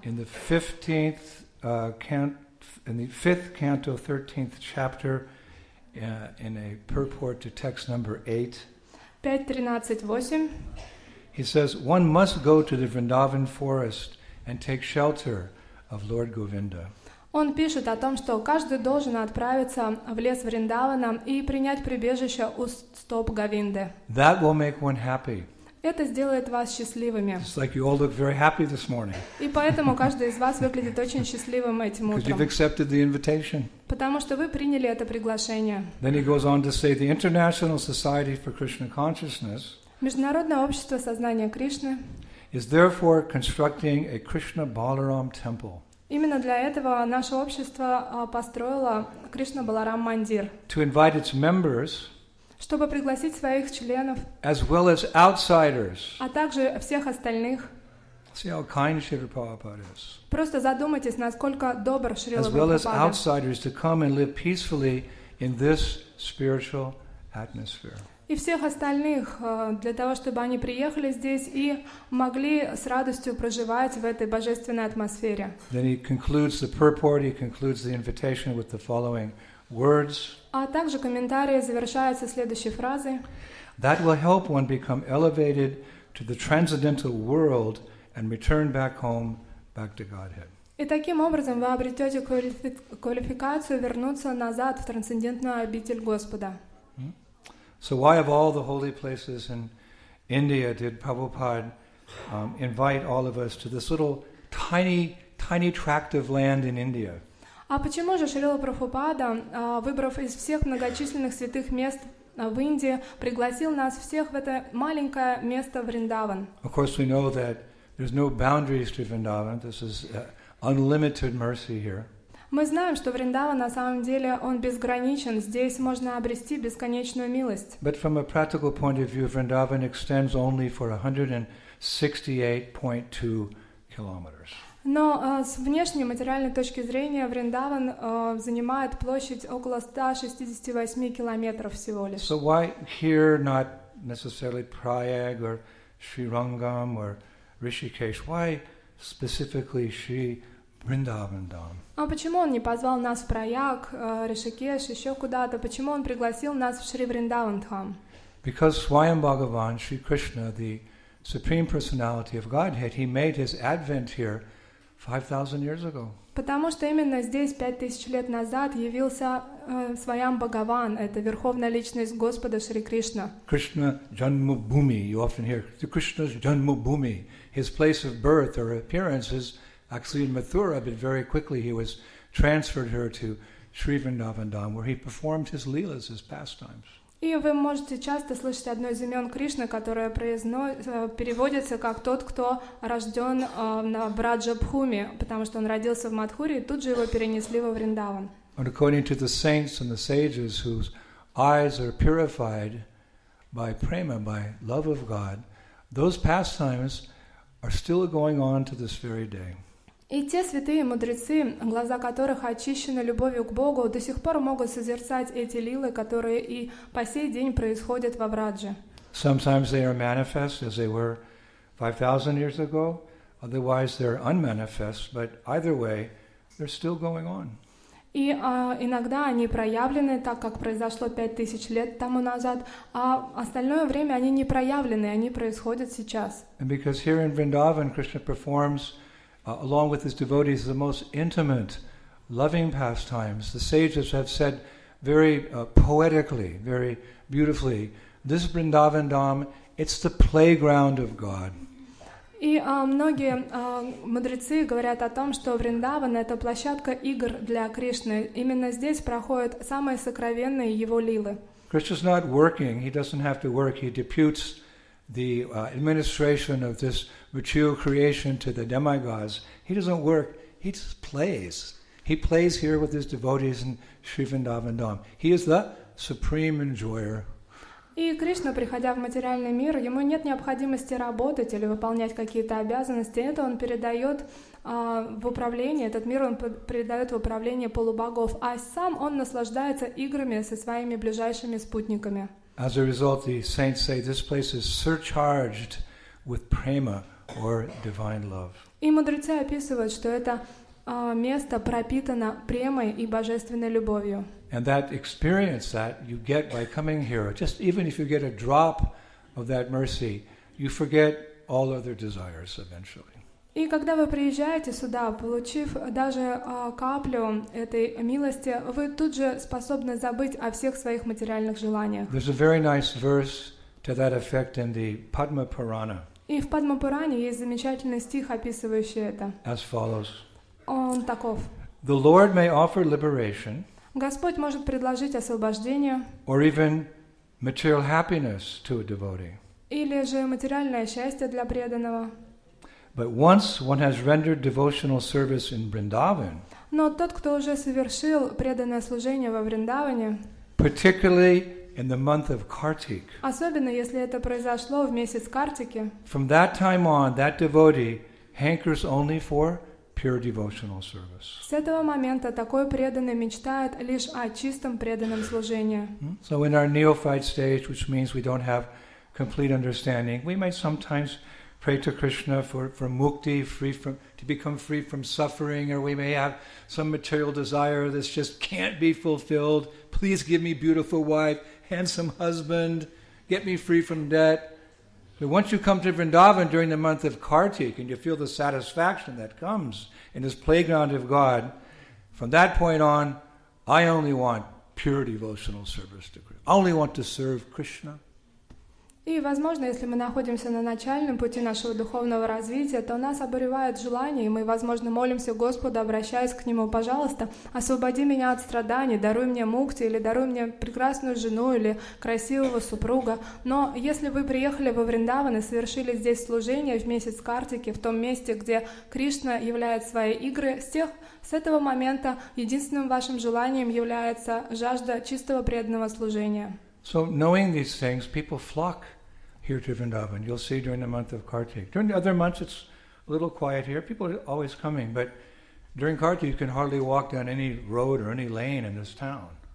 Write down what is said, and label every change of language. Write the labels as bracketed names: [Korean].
[English] In the 15th canto, in the 5th canto, 13th chapter, in a purport to text number 8, 5.13.8, he says, one must go to the Vrindavan forest and take shelter of Lord Govinda. [Russian] Он пишет о том, что каждый должен отправиться в лес Вриндавана и принять прибежище у стоп Говинды. [English] That will make one happy. [Russian] Это сделает вас счастливыми. [English] It's like you all look very happy this morning. [Russian] И поэтому каждый из вас выглядит очень счастливым этим утром. [English] Because you've accepted the invitation. [Russian] Потому что вы приняли это приглашение. [English] Then he goes on to say the International Society for Krishna Consciousness. [Russian] Международное общество сознания Кришны. [English] Is therefore constructing a Krishna Balaram temple. [Russian] Именно для этого наше общество построило Кришна Баларам Мандир. [English] To invite its members, [Russian] чтобы пригласить своих членов, [English] as well as outsiders, [Russian] а также всех остальных. [English] See how kind Śrīla Prabhupāda is. [Russian] Просто задумайтесь, насколько добр Śrīla Prabhupāda. [English] As well as outsiders to come and live peacefully in this spiritual atmosphere. [Russian] И всех остальных для того, чтобы они приехали здесь и могли с радостью проживать в этой божественной атмосфере. [English] Then he concludes the purport, he concludes the invitation with the following words. [Russian] А также комментарии завершаются следующей фразой. [English] That will help one become elevated to the transcendental world and return back home, back to Godhead. [Russian] И таким образом вы обретете квалификацию вернуться назад в трансцендентную обитель Господа. [English] So why of all the holy places in India did Prabhupada invite all of us to this little tiny, tiny tract of land in India? [Russian] А почему же Шрила Прабхупада, выбрав из всех многочисленных святых мест в Индии, пригласил нас всех в это маленькое место Вриндаван? [English] Of course we know that there's no boundaries to Vrindavan. This is unlimited mercy here. [Russian] Мы знаем, что Вриндава на самом деле он безграничен. Здесь можно обрести бесконечную милость. [English] But from a practical point of view, Vrindavan extends only for 168.2 kilometers. [Russian] Но с внешней материальной точки зрения Вриндаван занимает площадь около 168 километров всего лишь. [English] So why here not necessarily Prayag or Srirangam or Rishikesh? Why specifically Sri Vrindavan Dham? [Russian] А почему он не позвал нас в Праяг, Ришикеш, еще куда-то? Почему он пригласил нас в Шри Вриндаван Дхам? [English] Because Swayam Bhagavan, Shri Krishna, the Supreme Personality of Godhead, he made his advent here 5,000 years ago. [Russian] Потому что именно здесь 5000 лет назад явился Swayam Bhagavan, это Верховная Личность Господа Шри Кришна. [English] Krishna Janmabhumi, you often hear, the Krishna's Janmabhumi, his place of birth or appearance is actually in Mathura, but very quickly he was transferred here to Sri Vrindavan Dham, where he performed his leelas, his pastimes. [Russian] И вы можете часто слышать одно из имен Кришны, которое переводится как тот, кто рожден на Враджабхуме, потому что он родился в Мадхуре, и тут же его перенесли во Вриндаван. [English] And according to the saints and the sages whose eyes are purified by prema, by love of God, those pastimes are still going on to this very day. [Russian] И те святые мудрецы, глаза которых очищены любовью к Богу, до сих пор могут созерцать эти лилы, которые и по сей день происходят во Врадже. [English] Sometimes they are manifest, as they were 5,000 years ago. Otherwise, they're unmanifest. But either way, they're still going on. [Russian] И иногда они проявлены, так как произошло 5,000 лет тому назад, а остальное время они не проявлены, они происходят сейчас. [English] And because here in Vrindavan, Krishna performs along with his devotees, the most intimate, loving pastimes. The sages have said very poetically, very beautifully, this Vrindavan Dham, it's the playground of God. [Russian] И многие мудрецы говорят о том, что Вриндаван — это площадка игр для Кришны. Именно здесь проходят самые сокровенные его лилы. [English] Krishna's not working. He doesn't have to work. He deputes the administration of this material creation to the demigods. He doesn't work. He just plays. He plays here with his devotees in Sri Vrindavan Dham. He is the supreme enjoyer. [Russian] И Кришна, приходя в материальный мир, ему нет необходимости работать или выполнять какие-то обязанности. Это он передает в управление, этот мир он передает в управление полубогов. А сам он наслаждается играми со своими ближайшими спутниками. [English] As a result, the saints say this place is surcharged with prema or divine love. [Russian] И мудрецы описывают, что это место пропитано премой и божественной любовью. [English] And that experience that you get by coming here, just even if you get a drop of that mercy, you forget all other desires eventually. [Russian] И когда вы приезжаете сюда, получив даже каплю этой милости, вы тут же способны забыть о всех своих материальных желаниях. [English] There's a very nice verse to that effect in the Padma Purana. [Russian] И в Падма Пуране есть замечательный стих, описывающий это. [English] As follows. [Russian] Он таков. [English] The Lord may offer liberation. [Russian] Господь может предложить освобождение, [English] or even material happiness to a devotee, [Russian] или же материальное счастье для преданного. [English] But once one has rendered devotional service in Vrindavan, [Russian] но тот, кто уже совершил преданное служение во Вриндаване, [English] particularly in the month of Kartik, [Russian] особенно если это произошло в месяц Картики, [English] from that time on, that devotee hankers only for pure devotional service. [Russian] С этого момента такой преданный мечтает лишь о чистом преданном служении. [English] So in our neophyte stage, which means we don't have complete understanding, we might sometimes pray to Krishna for mukti, free from to become free from suffering, or we may have some material desire that just can't be fulfilled. Please give me beautiful wife, handsome husband, get me free from debt. But once you come to Vrindavan during the month of Kartik and you feel the satisfaction that comes in this playground of God, from that point on, I only want pure devotional service to Krishna. I only want to serve Krishna. [Russian] И, возможно, если мы находимся на начальном пути нашего духовного развития, то нас обуревает желание, и мы, возможно, молимся Господу, обращаясь к Нему, пожалуйста, освободи меня от страданий, даруй мне мукти, или даруй мне прекрасную жену, или красивого супруга. Но если вы приехали во Вриндаван и совершили здесь служение в месяц Картики, в том месте, где Кришна являет свои игры, с этого момента единственным вашим желанием является жажда чистого преданного служения. [English] So knowing these things, people flock here to Vrindavan. You'll see during the month of Kartik. During the other months, it's a little quiet here. People are always coming. But during Kartik, you can hardly walk down any road or any lane in this town.